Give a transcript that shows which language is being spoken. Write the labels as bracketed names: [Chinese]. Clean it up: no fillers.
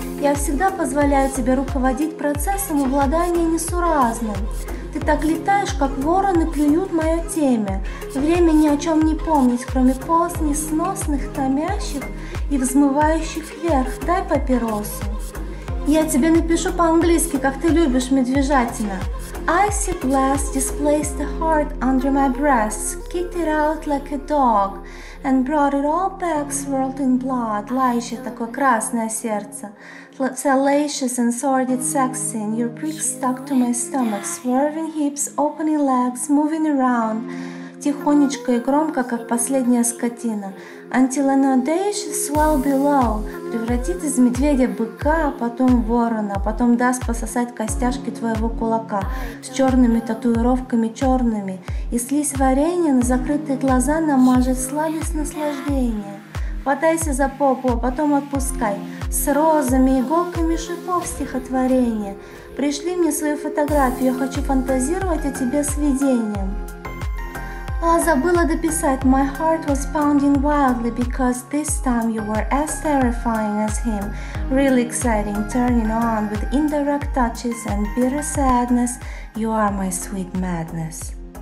[Russian] Я всегда позволяю тебе руководить процессом обладания несуразным. Ты так летаешь, как вороны клюют мое темя. Время ни о чем не помнить, кроме пост несносных, томящих и взмывающих вверх. Дай папиросу. Я тебе напишу по-английски, как ты любишь, медвежатина. [English] I see glass displaced the heart under my breast, kicked it out like a dog, and brought it all back swirled in blood. [Russian] Лающее такое красное сердце. [English] Salacious and sordid sexing, your prick stuck to my stomach, swerving hips, opening legs, moving around. [Russian] Тихонечко и громко, как последняя скотина. [English] Until an audacious swell below [Russian] превратит из медведя быка, потом ворона, потом даст пососать костяшки твоего кулака с черными татуировками черными. И слизь варенья на закрытые глаза намажет сладость наслаждения. Хватайся за попу, а потом отпускай с розами, иголками шипов стихотворение. Пришли мне свою фотографию, я хочу фантазировать о тебе с видением. А забыла дописать. [English] My heart was pounding wildly because this time you were as terrifying as him. Really exciting, turning on with indirect touches and bitter sadness. You are my sweet madness.